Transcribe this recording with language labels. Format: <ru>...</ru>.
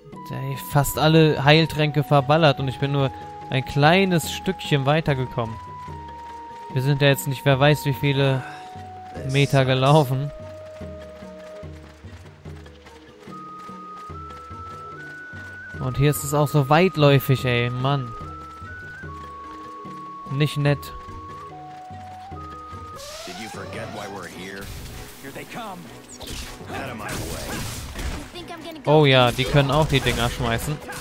<de>Ey, fast alle Heiltränke verballert und ich bin nur ein kleines Stückchen weitergekommen. Wir sind ja jetzt nicht, wer weiß, wie viele Meter gelaufen. Und hier ist es auch so weitläufig, ey, Mann. Nicht nett.</de> <en>Did you forget why we're here? Here they come. Out of my way. You think I'm</en> <de>Oh ja, die können auch die Dinger schmeißen.</de>